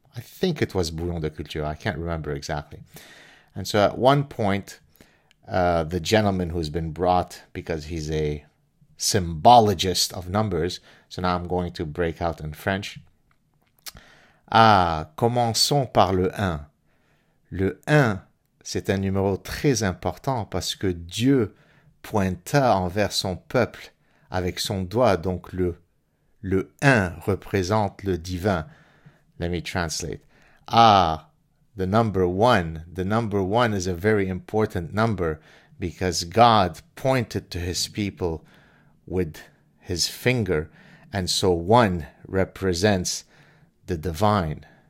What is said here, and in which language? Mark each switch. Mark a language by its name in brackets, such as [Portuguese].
[English] I think it was Bouillon de Culture. I can't remember exactly. And so at one point, the gentleman who's been brought, because he's a symbologist of numbers, so now I'm going to break out in French. [French] Ah, commençons par le 1. Le 1, c'est un numéro très important parce que Dieu pointa envers son peuple avec son doigt, donc le 1 représente le divin. [English] Let me translate. Ah, the number one. The number one is a very important number because God pointed to his people with his finger, and so one represents the divine.